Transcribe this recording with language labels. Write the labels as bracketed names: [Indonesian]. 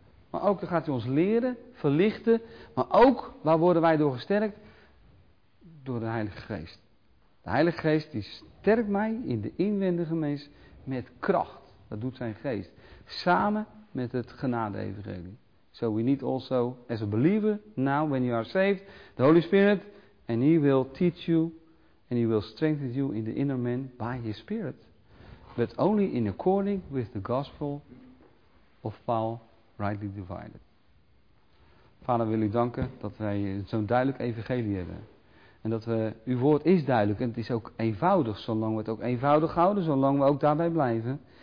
[Dutch] Maar ook dan gaat hij ons leren, verlichten. Maar ook, waar worden wij door gesterkt? Door de Heilige Geest. De Heilige Geest die sterkt mij in de inwendige mens met kracht. Dat doet zijn geest. Samen met het genade-evangelie. [English] So we need also, as a believer, now when you are saved, the Holy Spirit, and he will teach you, and he will strengthen you in the inner man by his Spirit. But only in according with the gospel of Paul, rightly divided. [Dutch] Vader, wil u danken dat wij zo'n duidelijk evangelie hebben. En dat we, uw woord is duidelijk en het is ook eenvoudig, zolang we het ook eenvoudig houden, zolang we ook daarbij blijven.